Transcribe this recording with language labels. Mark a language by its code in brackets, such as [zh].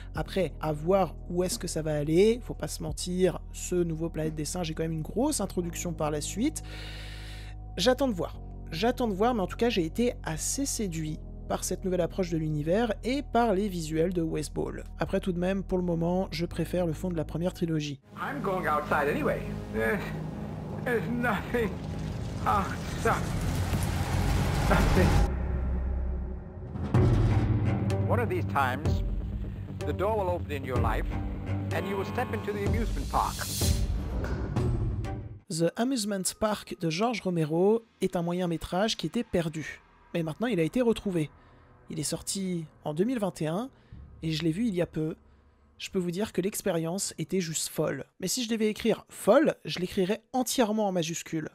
[fr] Après, à voir où est-ce que ça va aller, faut pas se mentir, ce nouveau planète des singes est quand même une grosse introduction par la suite. J'attends de voir. J'attends de voir, mais en tout cas, j'ai été assez séduit par cette nouvelle approche de l'univers et par les visuels de Westball. Après, tout de même, pour le moment, je préfère le fond de la première trilogie. [en] I'm going outside anyway. There's nothing outside. Nothing. One of these times, the door will open in your life and you will step into the amusement park. [fr] The Amusement Park de George Romero est un moyen métrage qui était perdu, mais maintenant il a été retrouvé. Il est sorti en 2021, et je l'ai vu il y a peu, Je peux vous dire que l'expérience était juste folle. Mais si je devais écrire folle, je l'écrirais entièrement en majuscule.